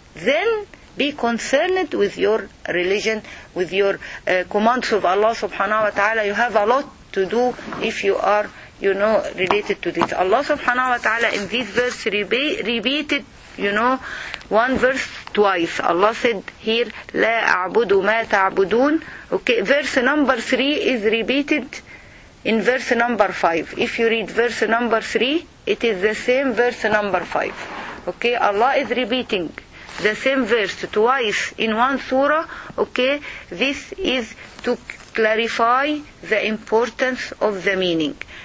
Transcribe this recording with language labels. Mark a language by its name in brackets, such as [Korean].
[English] Then be concerned with your religion, with your commands of Allah subhanahu wa ta'ala. You have a lot to do if you are, you know, related to this. Allah subhanahu wa ta'ala in this verse repeated, you know, one verse twice. Allah said here, [Arabic] لا أعبد ما تعبدون. [English] Okay, verse number 3 is repeated in verse number 5. If you read verse number 3, it is the same verse number 5. Okay, Allah is repeating the same verse twice in one surah. Okay, this is to clarify the importance of the meaning.